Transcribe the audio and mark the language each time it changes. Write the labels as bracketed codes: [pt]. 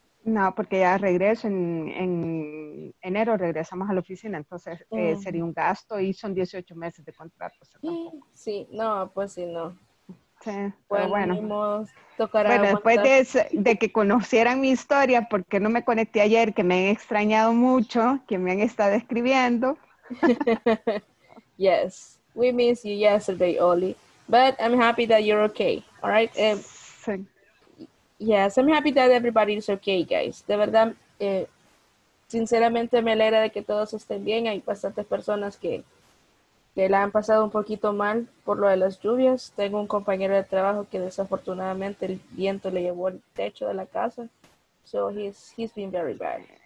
[es] No, porque ya regreso en enero, regresamos a la oficina, entonces sería un gasto y son 18 meses de contrato. O sea, sí, no, pues sí, no. Sí, pues bueno. Tocará bueno, después de que conocieran mi historia, porque no me conecté ayer, que me han extrañado mucho, que me han estado escribiendo. [en] Yes, we miss you yesterday, Oli, but I'm happy that you're okay, all right? [es] Sí. [en] Yes, I'm happy that everybody is okay, guys. [es] De verdad, sinceramente me alegra de que todos estén bien. Hay bastantes personas que la han pasado un poquito mal por lo de las lluvias. Tengo un compañero de trabajo que desafortunadamente el viento le llevó el techo de la casa. [en] So he's been very bad.